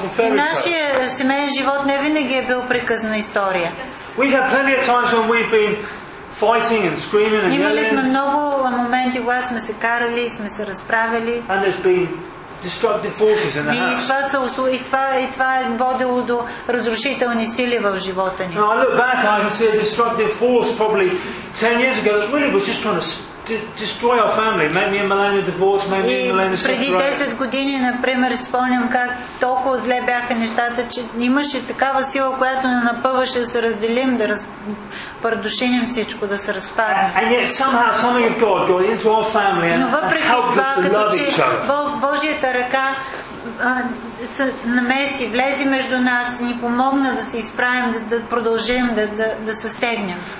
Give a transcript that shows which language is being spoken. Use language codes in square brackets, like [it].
[bg] Нашия семейен живот не винаги е бил приказна история. [en] We've had plenty of times when we've been fighting and screaming and [bg] имали сме много моменти, когато сме се карали, сме се разправили. [en] And there's been destructive forces in the house. [bg] И това е водило до разрушителни сили в живота ни. [en] Now I look back, I can see a destructive force probably 10 years ago that really was just trying to destroy our family. Make me and Melania divorce, make me and Melania separate. [bg] Преди 10 години, например, спомням как толкова зле бяха нещата, че имаше такава сила, която не напъваше да се разделим, да разпардушиним всичко, да се разпадне. [en] And yet somehow something of God got into our family and helped us to love each other. [bg] Божията ръка се намеси, влезе между нас и ни помогна да се изправим, да продължим, да се стегнем.